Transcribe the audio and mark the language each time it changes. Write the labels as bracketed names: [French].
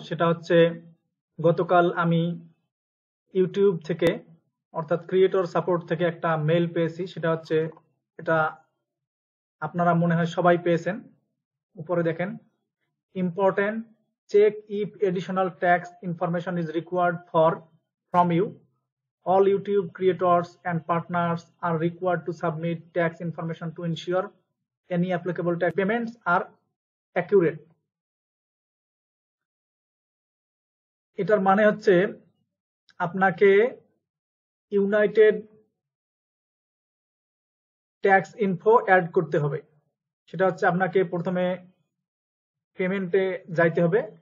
[Bangla] সেটা হচ্ছে, গতকাল আমি ইউটিউব থেকে অর্থাৎ ক্রিয়েটর সাপোর্ট থেকে একটা মেইল পেয়েছি। সেটা হচ্ছে, এটা আপনারা মনে হয় সবাই পেয়েছেন, উপরে দেখেন, [English] Important check if additional tax information is required from you. All YouTube creators and partners are required to submit tax information to ensure any applicable tax payments are accurate. [Bangla] এটার মানে হচ্ছে, আপনাকে ইউনাইটেড ট্যাক্স ইনফো অ্যাড করতে হবে। সেটা হচ্ছে, আপনাকে প্রথমে পেমেন্টে যাইতে হবে।